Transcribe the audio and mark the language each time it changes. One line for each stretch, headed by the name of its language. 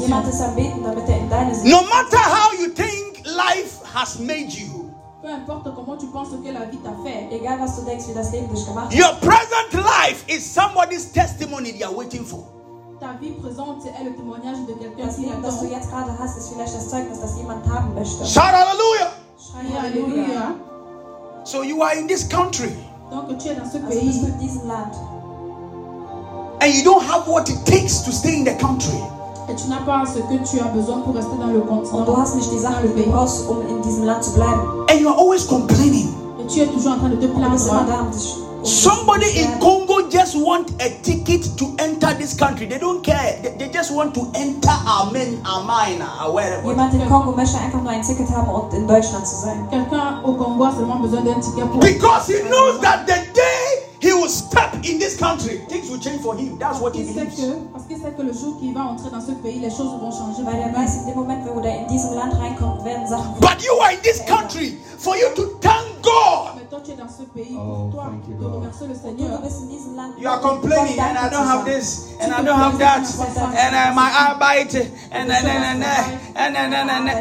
English: No matter how you think life has made you, your present life is somebody's testimony they are waiting for.
French: Ta vie présente est le témoignage de quelqu'un.
German: Das Leben, das du jetzt gerade hast, ist vielleicht das Zeugnis, das jemand haben möchte.
English: Shout hallelujah! Hallelujah! So you are in this country.
French: Donc tu es dans ce pays.
German: Du diesem Land.
English: And you don't have what it takes to stay in the country.
French: Et tu n'as pas ce que tu as besoin pour rester dans le continent.
German: Du hast nicht die Sachen, die du brauchst, um in diesem Land zu bleiben.
English: And you are always complaining.
French: Et tu es toujours en train de te plaindre.
English: Somebody in Congo just want a ticket to enter this country. They don't care. They just want to enter Amen, Amina, wherever.
German: Jemand in Kongo möchte einfach nur ein Ticket haben, um in Deutschland zu sein.
French: Quelqu'un au Congo a seulement besoin d'un ticket pour.
English: Because he knows that the day he will step in this country, things will change for him. That's what he believes.
French: Parce qu'il sait que le jour qu'il va entrer dans ce pays, les choses vont changer.
German: Weil er weiß, in dem Moment, wo er in diesem Land reinkommt, werden Sachen.
English: But you are in this country for you to thank God. You are complaining, and I don't have this, and I don't have that, and my eye bite, and